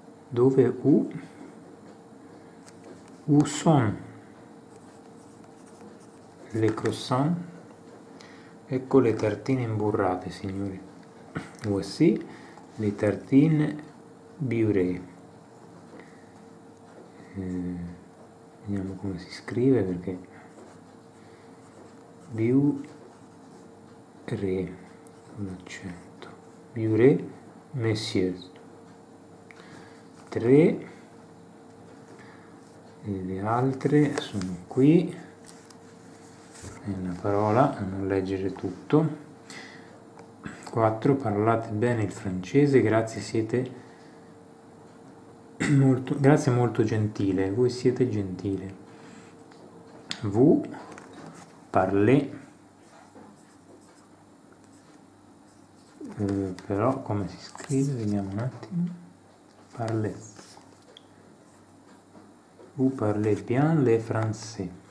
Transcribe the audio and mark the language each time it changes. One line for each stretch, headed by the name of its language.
Italian: Dove u?
French: Où sont les croissants?
Italian: Ecco le tartine imburrate, signori.
French: Voici les tartines beurrées.
Italian: Vediamo come si scrive, perché beurrées con l'accento.
French: Beurrées, messieurs. Tre.
Italian: E le altre sono qui, è una parola, a non leggere tutto. 4. Parlate bene il francese, grazie, siete molto, grazie, molto gentile, voi siete gentile.
French: Vous parlez,
Italian: però come si scrive, vediamo un attimo, parlez.
French: Vous parlez bien le français.